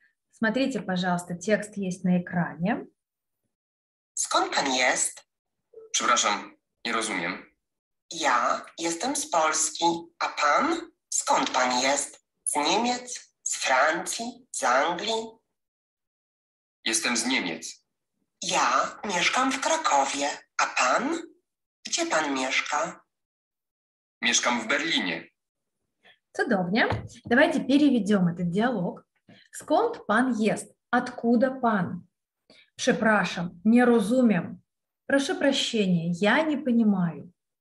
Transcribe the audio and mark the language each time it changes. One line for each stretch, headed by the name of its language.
Russian: Смотрите, пожалуйста, текст есть на экране.
Polish: Skąd pan jest? Przepraszam, nie rozumiem. Ja jestem z Polski, a pan? Skąd pan jest? Z Niemiec, z Francji, z Anglii? Jestem z Niemiec. Ja mieszkam w Krakowie, a pan? Gdzie pan mieszka? Mieszkam w Berlinie. Cudownie.
Russian: Давайте переведем этот диалог.
Polish: Skąd pan jest?
Russian: Откуда
Polish: pan? Przepraszam, nie rozumiem. Proszę
Russian: прощения, я не понимаю.